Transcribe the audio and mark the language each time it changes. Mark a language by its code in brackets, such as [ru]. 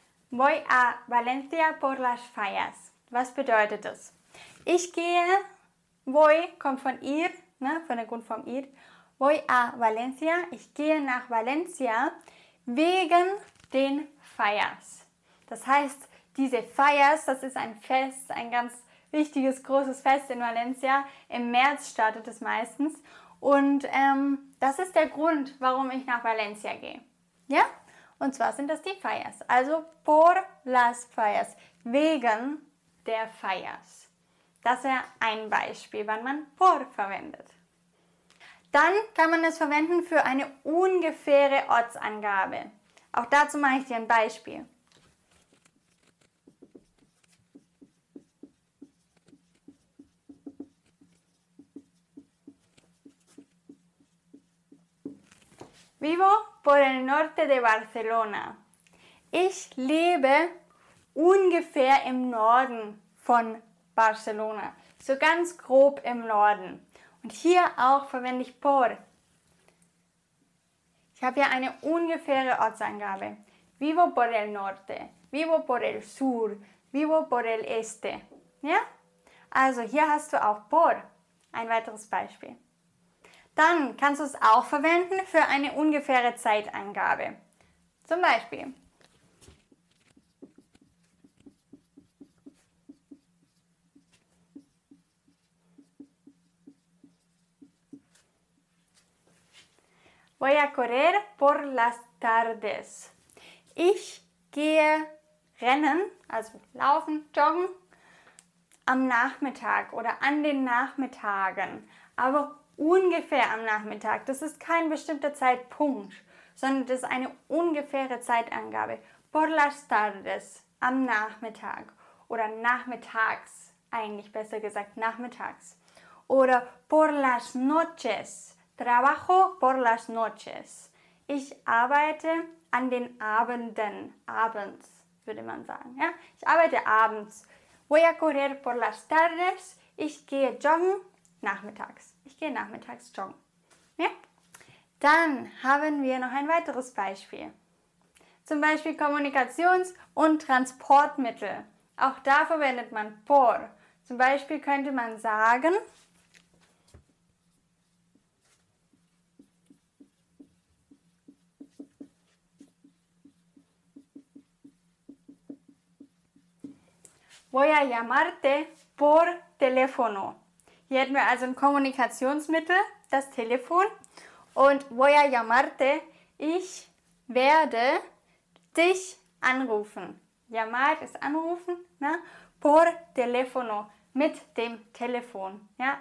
[es] Voy a Valencia por las fallas. [de] Was bedeutet das? Ich gehe, [es] voy, [de] kommt von [es] ir, [de] ne, von der Grundform ir, [es] voy a Valencia, [de] ich gehe nach Valencia wegen den Feiers. Das heißt, diese Feiers, das ist ein Fest, ein ganz wichtiges, großes Fest in Valencia, im März startet es meistens und das ist der Grund, warum ich nach Valencia gehe. Ja? Und zwar sind das die Feiers, also [es] por las [de] Feiers, wegen der Feiers. Das wäre ein Beispiel, wann man por verwendet. Dann kann man es verwenden für eine ungefähre Ortsangabe. Auch dazu mache ich dir ein Beispiel. [es] Vivo por el norte de Barcelona. [de] Ich lebe ungefähr im Norden von Barcelona, so ganz grob im Norden. Und hier auch verwende ich por. Ich habe hier eine ungefähre Ortsangabe. [es] Vivo por el norte, vivo por el sur, vivo por el este. [de] Ja? Also hier hast du auch por. Ein weiteres Beispiel. Dann kannst du es auch verwenden für eine ungefähre Zeitangabe. Zum Beispiel. [es] Voy a correr por las tardes. [de] Ich gehe rennen, also laufen, joggen, am Nachmittag oder an den Nachmittagen. Aber ungefähr am Nachmittag. Das ist kein bestimmter Zeitpunkt, sondern das ist eine ungefähre Zeitangabe. [es] Por las tardes, [de] am Nachmittag. Oder nachmittags, eigentlich besser gesagt nachmittags. [es] Oder por las noches. Trabajo por las noches. [de] Ich arbeite an den Abenden. Abends, würde man sagen. Ja? Ich arbeite abends. [es] Voy a correr por las tardes. [de] Ich gehe joggen nachmittags. Ich gehe nachmittags joggen. Ja? Dann haben wir noch ein weiteres Beispiel. Zum Beispiel Kommunikations- und Transportmittel. Auch da verwendet man por. Zum Beispiel könnte man sagen... [es] Voy a llamarte por teléfono. [de] Hier hätten wir also ein Kommunikationsmittel, das Telefon. Und [es] voy a llamarte, [de] ich werde dich anrufen. [es] Llamar [de] ist anrufen, ne? [es] Por teléfono, [de] mit dem Telefon. Ja?